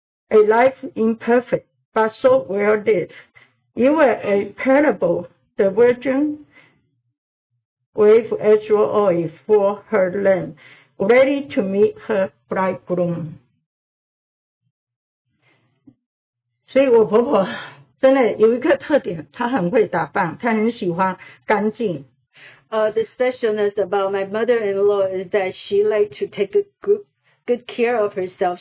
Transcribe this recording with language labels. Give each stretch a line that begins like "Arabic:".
English: A life imperfect, but so well lived. You were a parable, the virgin with extra oil for her lamb, ready to meet her bridegroom.
Chinese: 所以我婆婆真的有一个特点，她很会打扮，她很喜欢干净。
English: The specialness about my mother-in-law is that she likes to take good care of herself.